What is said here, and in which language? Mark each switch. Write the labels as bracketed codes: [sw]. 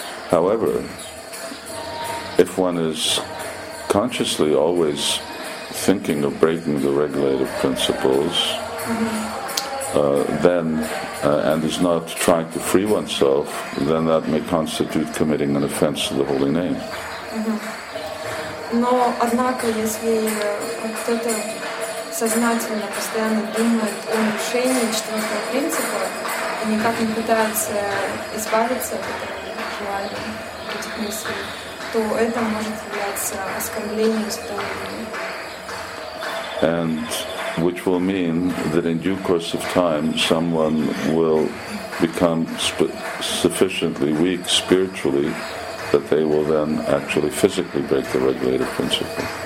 [en] However, if one is consciously always thinking of breaking the regulative principles, and is not trying to free oneself, then that may constitute committing an offense to the holy name. [ru] Но однако, если кто-то сознательно постоянно думает о нарушении четвертого принципа и никак не пытается избавиться от этого желания, от этих мыслей, то это может являться оскорблением святого. [en] And which will mean that in due course of time, someone will become sufficiently weak spiritually that they will then actually physically break the regulative principle.